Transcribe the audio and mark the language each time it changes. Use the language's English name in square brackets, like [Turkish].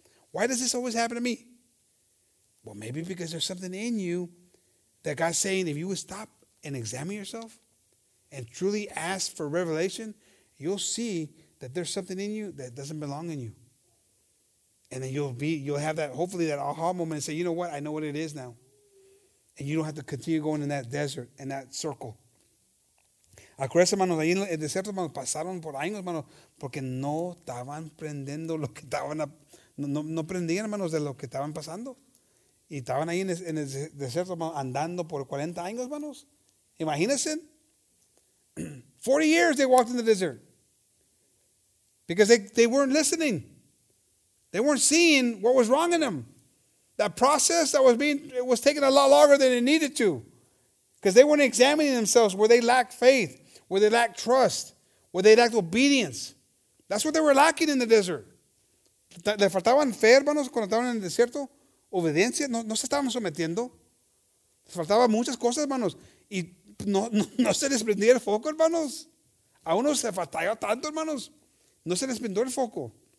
[English] Why does this always happen to me? Well, maybe because there's something in you that God's saying, if you would stop and examine yourself and truly ask for revelation, you'll see that there's something in you that doesn't belong in you. And then you'll have that, hopefully that aha moment and say, you know what? I know what it is now. And you don't have to continue going in that desert and that circle. [Spanish] Acuérdense, hermanos, ahí en el desierto, hermanos, pasaron por años, hermanos, porque no estaban prendiendo lo que estaban, no prendían, hermanos, de lo que estaban pasando. Y estaban ahí en el desierto, hermanos, andando por 40 años, hermanos. [English] Imagínense. 40 years they walked in the desert. Because they weren't listening. They weren't seeing what was wrong in them. That process that was being, it was taking a lot longer than it needed to. Because they weren't examining themselves where they lacked faith, where they lacked trust, where they lacked obedience. That's what they were lacking in the desert. [Spanish] Le faltaban fe, hermanos, cuando estaban en el desierto. Obediencia, no se estaban sometiendo. Les faltaban muchas cosas, hermanos. Y no se les prendía el foco, hermanos. A uno se faltaba tanto, hermanos. No se les prendió el foco.